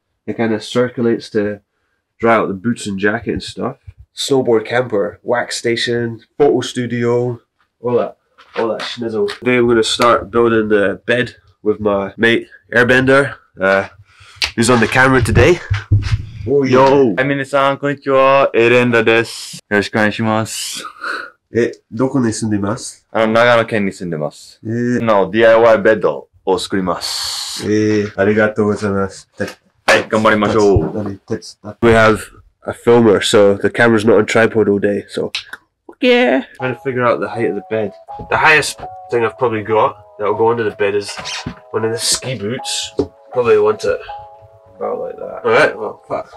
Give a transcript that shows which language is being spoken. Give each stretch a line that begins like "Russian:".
English: It kind of circulates to dry out the boots and jacket and stuff. Snowboard camper, wax station, photo studio, all that schnizzle. Today I'm going to start building the bed with my mate Airbender. He's on the camera today. Oh, yo!
Japanese: Hi, 皆さん、こんにちは。 Airbender です。よろしくお願いします。え、どこに住んでいます？あの、長野県に住んでます。の DIY ベッドを作ります。ありがとうございます。はい、頑張りましょう。
English: We have a filmer, so the camera's not on tripod all day, so... Okay! Trying to figure out the height of the bed. The highest thing I've probably got that'll go under the bed is one of the ski boots. Probably want it about like that. Alright, well, fuck.